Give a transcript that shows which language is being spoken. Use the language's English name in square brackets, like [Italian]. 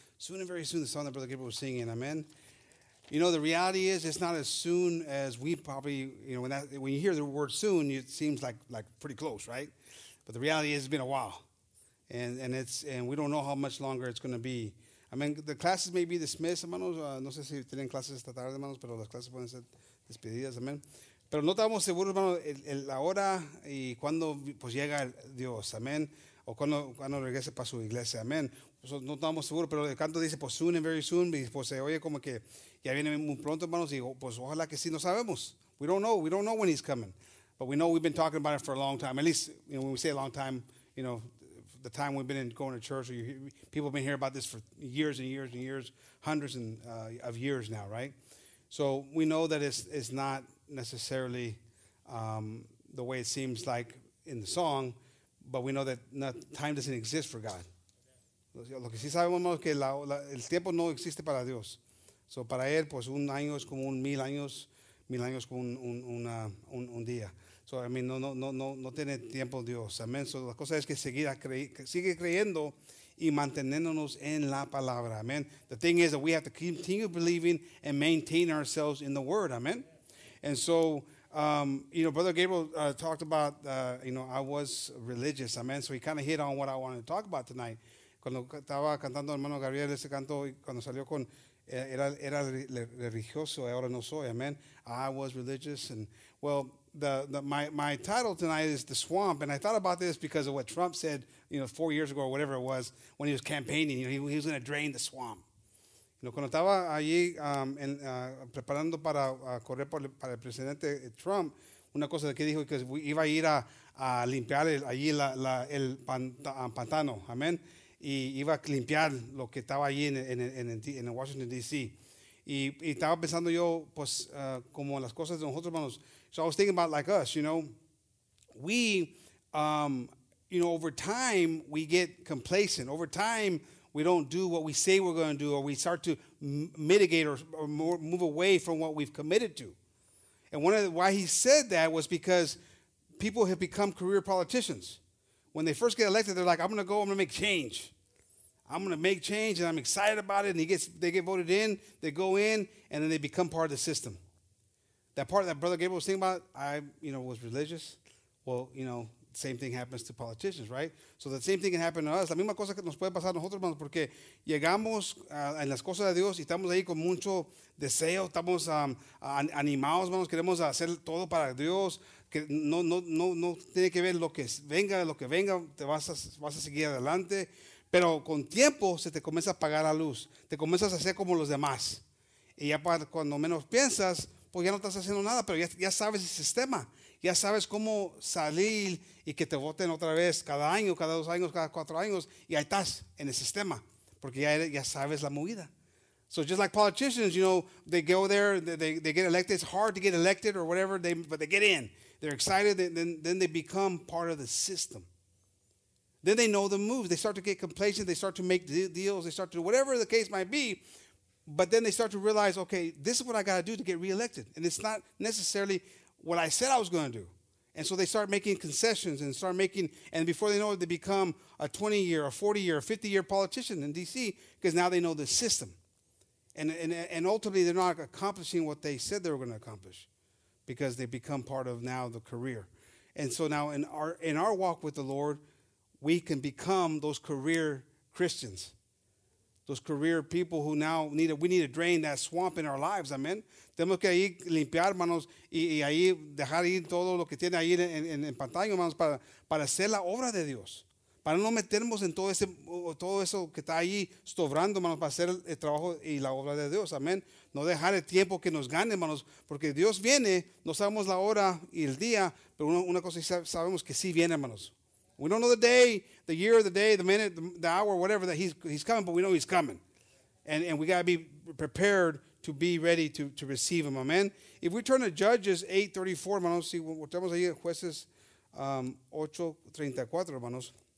[English] Soon and very soon, the song that Brother Gabriel was singing. Amen. You know, the reality is, it's not as soon as we probably, you know, when you hear the word soon, it seems like pretty close, right? But the reality is, it's been a while, and we don't know how much longer it's going to be. I mean, the classes may be dismissed, hermanos. [Spanish] No sé si tienen clases esta tarde, hermanos, pero las clases pueden ser despedidas. Amen. Pero no estamos seguros, hermano, la hora y cuándo pues llega Dios, amén, o cuando regrese para su iglesia, amén. So, no estamos seguros, pero el canto dice, pues, [English] soon and very soon, [Spanish] y pues se oye como que ya viene muy pronto, hermanos, y pues ojalá que sí, no sabemos. [English] We don't know when he's coming, but we know we've been talking about it for a long time, at least, you know, when we say a long time, you know, the time we've been going to church, or people have been hearing about this for years and years and years, hundreds and, of years now, right? So we know that it's not necessarily the way it seems like in the song, but we know that time doesn't exist for God. [Spanish] Lo que sí sabemos es que el tiempo no existe para Dios. So para él, pues un año es como un mil años como un día. [English] So I mean, [Spanish] no tiene tiempo Dios. Amen. So la cosa es que sigue creyendo y manteniéndonos en la palabra. Amen. [English] The thing is that we have to continue believing and maintain ourselves in the word. Amen. And so, you know, Brother Gabriel talked about, you know, I was religious, amen. So he kind of hit on what I wanted to talk about tonight. [Spanish] Cuando estaba cantando hermano Gabriel ese canto, cuando salió con, era religioso, ahora no soy, amen. [English] I was religious. And, well, my title tonight is The Swamp. And I thought about this because of what Trump said, you know, 4 years ago or whatever it was, when he was campaigning, you know, he was going to drain the swamp. Cuando estaba allí preparando para correr para el presidente Trump, una cosa que dijo que iba a ir a limpiar allí el pantano, amén, y iba a limpiar lo que estaba allí en Washington, D.C. Y estaba pensando yo, pues, como las cosas de nosotros, hermanos. So I was thinking about like us, you know. We, you know, over time, we get complacent. Over time, we don't do what we say we're going to do, or we start to mitigate or move away from what we've committed to. And why he said that was because people have become career politicians. When they first get elected, they're like, I'm going to go, I'm going to make change. I'm going to make change, and I'm excited about it. And they get voted in, they go in, and then they become part of the system. That part that Brother Gabriel was thinking about, I, you know, was religious. Well, you know, same thing happens to politicians, right? So the same thing can happen to us. [Spanish] La misma cosa que nos puede pasar a nosotros, hermanos, porque llegamos en las cosas de Dios y estamos ahí con mucho deseo, estamos animados, hermanos, queremos hacer todo para Dios, que no tiene que ver lo que venga, te vas a seguir adelante. Pero con tiempo se te comienza a apagar la luz, te comienzas a hacer como los demás. Y ya cuando menos piensas, pues ya no estás haciendo nada, pero ya sabes el sistema. Ya sabes cómo salir y que te voten otra vez cada año, cada 2 años, cada 4 años. Y ahí estás en el sistema, porque ya sabes la movida. [English] So just like politicians, you know, they go there, they get elected. It's hard to get elected or whatever, but they get in. They're excited, then they become part of the system. Then they know the moves. They start to get complacent. They start to make deals. They start to do whatever the case might be. But then they start to realize, okay, this is what I got to do to get reelected. And it's not necessarily what I said I was going to do. And so they start making concessions and start making, and before they know it, they become a 20-year, a 40-year, a 50-year politician in D.C. because now they know the system. And ultimately, they're not accomplishing what they said they were going to accomplish because they become part of now the career. And so now in our walk with the Lord, we can become those career Christians, those career people who now we need to drain that swamp in our lives. Amen. [Spanish] Tenemos que ahí limpiar, hermanos, y ahí dejar ir todo lo que tiene ahí en pantalla, hermanos, para hacer la obra de Dios. Para no meternos en todo eso que está ahí sobrando, hermanos, para hacer el trabajo y la obra de Dios. Amén. No dejar el tiempo que nos gane, hermanos, porque Dios viene, no sabemos la hora y el día, pero una cosa sabemos que sí viene, hermanos. [English] We don't know the day, the year, the day, the minute, the hour, whatever, that he's coming, but we know he's coming. And we got to be prepared to be ready to receive him. Amen. If we turn to Judges 8:34, [Spanish] hermanos, si volvemos ahí a Jueces 8:34, hermanos.